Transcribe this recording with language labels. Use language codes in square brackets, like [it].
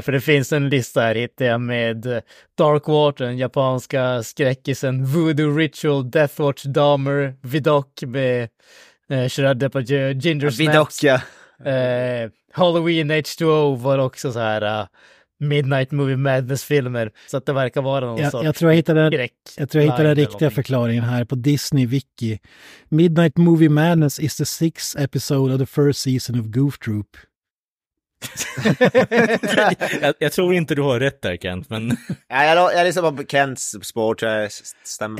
[sv] För det finns en lista här, hittar jag, med Dark Water, den japanska skräckisen, Voodoo Ritual, Death Watch, Dahmer, Vidocq med Gerard Depardieu, Ginger Snaps. Vidocq, ja. Halloween H2O var också så här... Midnight Movie Madness-filmer. Så att det verkar vara någon jag tror jag hittade den riktiga förklaringen här på Disney Wiki. [en] Midnight Movie Madness is the sixth episode of the first season of Goof Troop. [sv] jag tror inte du har rätt där, Kent. Men... jag lyssnar på Kents spår, tror jag stämmer.